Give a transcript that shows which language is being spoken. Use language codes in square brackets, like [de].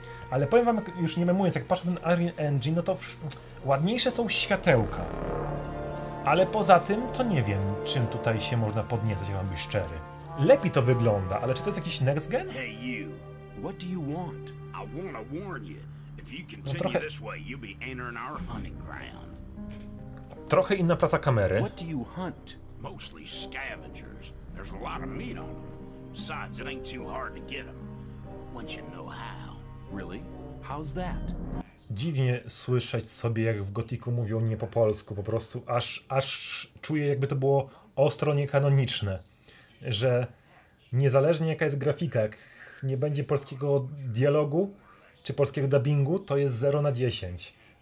[pl] Ale powiem wam, już nie memując, jak patrzę na ten Unreal Engine, no to ładniejsze są światełka. Ale poza tym, to nie wiem, czym tutaj się można podniecać, jak mam być szczery. Lepiej to wygląda, ale czy to jest jakiś next gen? [en] Hey you, what do you want? I wanna warn you, if you continue this way, you'll be entering our hunting ground. [pl] Trochę inna praca kamery. [en] What do you hunt? Mostly scavengers. There's a lot of meat on them. Besides, it ain't too hard to get them. Once you know how. Really? How's that? [pl] Dziwnie słyszeć sobie, jak w Gothicu mówią nie po polsku, po prostu aż czuję, jakby to było ostro niekanoniczne, że niezależnie jaka jest grafika, jak nie będzie polskiego dialogu czy polskiego dubbingu, to jest 0 na 10.